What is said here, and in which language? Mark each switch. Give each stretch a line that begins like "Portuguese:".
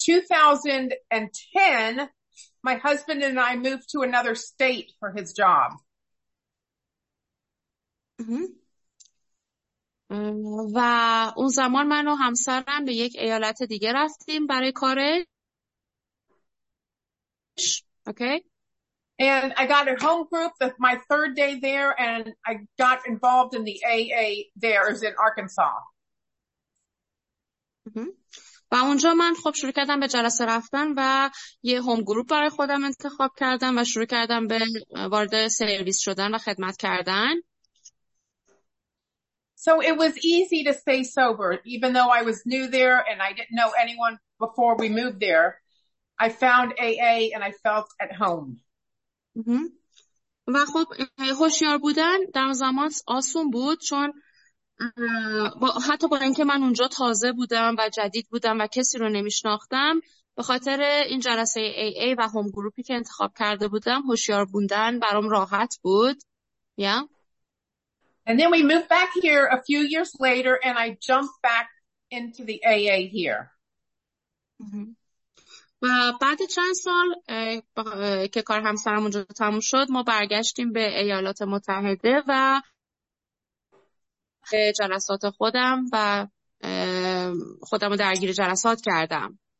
English: In 2010, my husband and I moved to another state for his job.
Persian: و اون زمان من و همسرم به یک ایالت دیگه رفتیم برای کارش.
English: Okay. And I got a home group my third day there, and I got involved in the AA there. It was in Arkansas.
Persian: و اونجا من خب شروع کردم به جلسه رفتن و یه هوم گروپ برای خودم انتخاب کردم و شروع کردم به وارد سرویس شدن و خدمت کردن.
English: So it was easy to stay sober, even though I was new there and I didn't know anyone before we moved there. I found AA and I felt at home.
Persian: و خب هوشیار بودن در زمان آسون بود چون حتی با اینکه من اونجا تازه بودم و جدید بودم و کسی رو نمیشناختم، به خاطر این جلسه AA و هوم گروپی که انتخاب کرده بودم هوشیار بودن برام راحت بود.
English: And then we moved back here a few years later and I jumped back into the AA here.
Persian: و بعد چند سال که کار همسرمون جدا تموم شد ما برگشتیم به ایالات متحده و به جلسات خودم و خودم رو درگیر جلسات کردم.